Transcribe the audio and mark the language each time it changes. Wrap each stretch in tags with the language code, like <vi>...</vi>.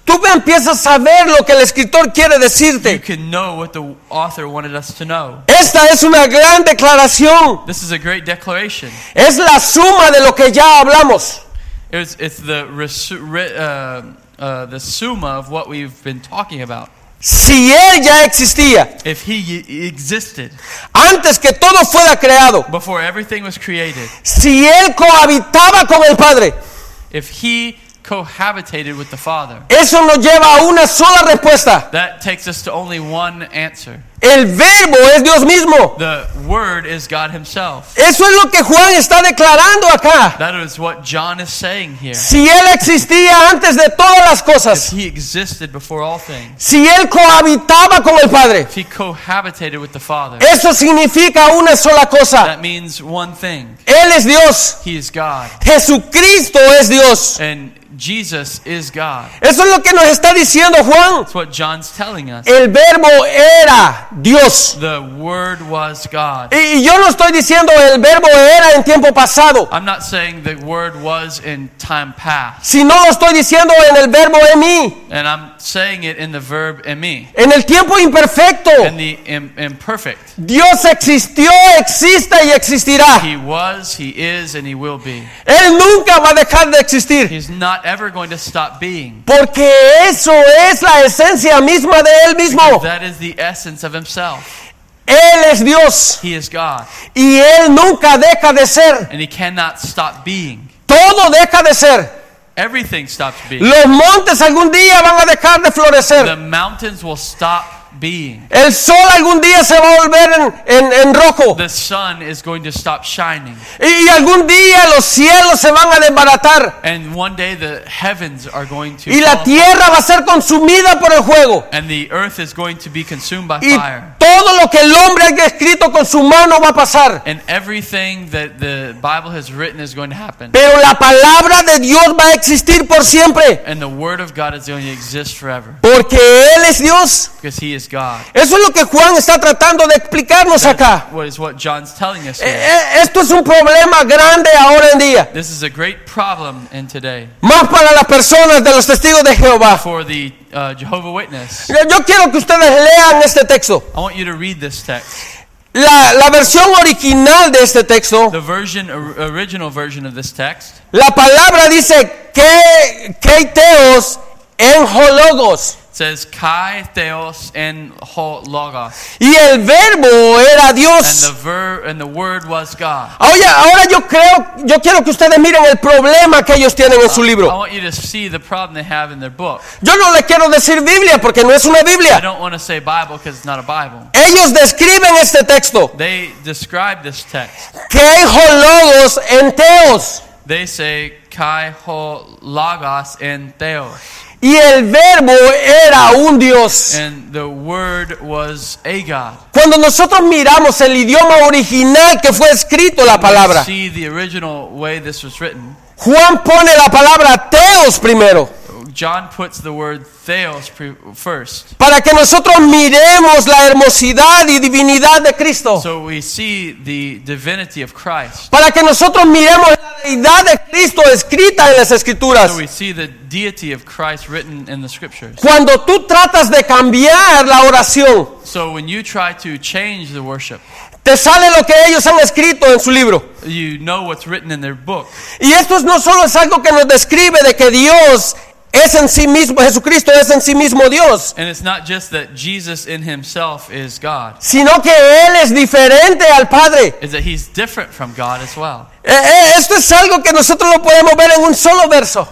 <es>tú empiezas a ver lo que el escritor quiere decirte.</es> <en>You can know what the author wanted us to know.</en> <es>Esta es una gran declaración.</es> <en>This is a great declaration.</en> <es>Es la suma de lo que ya hablamos.</es> <en>It's the summa of what we've been talking about.</en> <es>Si él ya existía,</es> <en>if he existed,</en> <es>antes que todo fuera creado,</es> <en>before everything was created,</en> <es>si él cohabitaba con el Padre,</es> <en>if he cohabitated with the Father,</en> <es>eso nos lleva a una sola respuesta.</es> <en>That takes us to only one answer.</en> <es>El Verbo es Dios mismo.</es> <en>The Word is God himself.</en> <es>Eso es lo que Juan está declarando acá.</es> <en>That is what John is saying here.</en> <es>Si él existía antes de todas las cosas.</es> <en>If he existed before all things.</en> <es>Si él cohabitaba con el Padre.</es> <en>If he cohabitated with the Father.</en> <es>Eso significa una sola cosa.</es> <en>That means one thing.</en> <es>Él es Dios.</es> <en>He is God.</en> <es>Jesucristo es Dios.</es> <en>And Jesus is God.</en> <es>Eso es lo que nos está diciendo Juan.</es> <en>That's what John's telling us.</en> <es>El Verbo era Dios.</es> <en>The Word was God.</en> <es>Y yo no estoy diciendo el Verbo era en tiempo pasado.</es> <en>I'm not saying the Word was in time past.</en> <es>Sino lo estoy diciendo en el verbo emi.</es> <en>And I'm saying it in the verb emi.</en> <es>En el tiempo imperfecto.</es> <en>In the imperfect.</en> <es>Dios existió, existe y existirá.</es> <en>He was, he is, and he will be.</en> <es>Él nunca va a dejar de existir.</es> <en>He's not ever going to stop being.</en> <es>Porque eso es la esencia misma de él mismo.</es> <en>Because that is the essence of himself.</en> <es>Él es Dios.</es> <en>He is God.</en> <es>Y él nunca deja de ser.</es> <en>And he cannot stop being.</en> <es>Todo deja de ser.</es> <en>Everything stops being.</en> <es>Los montes algún día van a dejar de florecer.</es> <en>The mountains will stop being.</en> <es>El sol algún día se va a volver en rojo.</es> <en>The sun is going to stop shining.</en> <es>Y algún día los cielos se van a desbaratar.</es> <en>And one day the heavens are going to.</en> <es>Y la tierra va a ser consumida por el fuego.</es> <en>And the earth is going to be consumed by</en> <es>y</es> <en>fire.</en> <es>Todo lo que el hombre haya escrito con su mano va a pasar.</es> <en>And everything that the Bible has written is going to happen.</en> <es>Pero la palabra de Dios va a existir por siempre.</es> <en>And the word of God is going to exist forever.</en> <es>Porque él es Dios.</es> <en>Because he is God.</en> <es>Eso es lo que Juan está tratando de explicarnos</es> <en>that</en> <es>acá.</es> <en>What is what John's telling us.</en> <es>Esto es un problema grande ahora en día.</es> <en>This is a great problem in today.</en> <es>Más para las personas de los testigos de Jehová.</es> <en>For the Jehovah Witness.</en> <es>Yo quiero que ustedes lean este texto.</es> <en>I want you to read this text.</en> <es>La versión original de este texto.</es> <en>The version, original version of this text.</en> <es>La palabra dice</es> <el>kai theos en ho logos.</el> <en>It says</en> <el>kai theos en ho logos.</el> <es>Y el verbo era Dios.</es> <en>And the word was God.</en> <es>Oye, ahora yo quiero que ustedes miren el problema que ellos tienen en su libro.</es> <en>I want you to see the problem they have in their book.</en> <es>Yo no le quiero decir Biblia porque no es una Biblia.</es> <en>I don't want to say Bible because it's not a Bible.</en> <es>Ellos describen este texto.</es> <en>They describe this text.</en> <el>Kai ho logos en theos.</el> <en>They say</en> <el>kai ho logos en theos.</el> <es>Y el verbo era un Dios.</es> <en>And the word was a God.</en> <es>Cuando nosotros miramos el idioma original que fue escrito la palabra.</es> <en>See the original way this was written.</en> <es>Juan pone la palabra theos primero.</es> <en>John puts the word theos first.</en> <es>Para que nosotros miremos la hermosidad y divinidad de Cristo.</es> <en>So we see the divinity of Christ.</en> <es>Para que nosotros miremos la deidad de Cristo escrita en las Escrituras.</es> <en>So we see the deity of Christ written in the Scriptures.</en> <es>Cuando tú tratas de cambiar la oración.</es> <en>So when you try to change the worship.</en> <es>Te sale lo que ellos han escrito en su libro.</es> <en>You know what's written in their book.</en> <es>Y esto no solo es algo que nos describe de que Dios es en sí mismo, Jesucristo es en sí mismo Dios.</es> <en>And it's not just that Jesus in himself is God.</en> <es>Sino que él es diferente al Padre.</es> <en>Is that he's different from God as well.</en> <es>Esto es algo que nosotros lo podemos ver en un solo verso.</es>